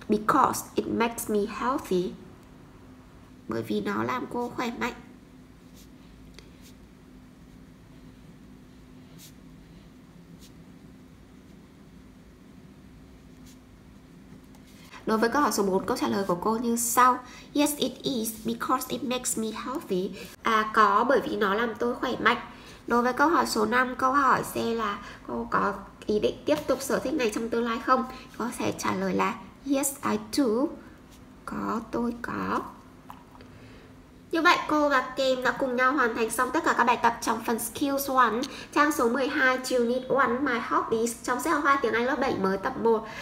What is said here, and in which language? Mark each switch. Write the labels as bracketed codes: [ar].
[en] Because it makes me healthy. [vi] Bởi vì nó làm cô khỏe mạnh. Đối với câu hỏi số 4, câu trả lời của cô như sau. [en] Yes, it is because it makes me healthy. [vi] À, có bởi vì nó làm tôi khỏe mạnh. Đối với câu hỏi số 5, câu hỏi C là cô có ý định tiếp tục sở thích này trong tương lai không? Cô sẽ trả lời là [en] yes, I do. [vi] Có, tôi có. Như vậy cô và Kim đã cùng nhau hoàn thành xong tất cả các bài tập trong phần Skills 1, trang số 12, Unit 1, My Hobbies trong sách giáo khoa tiếng Anh lớp 7 mới tập 1.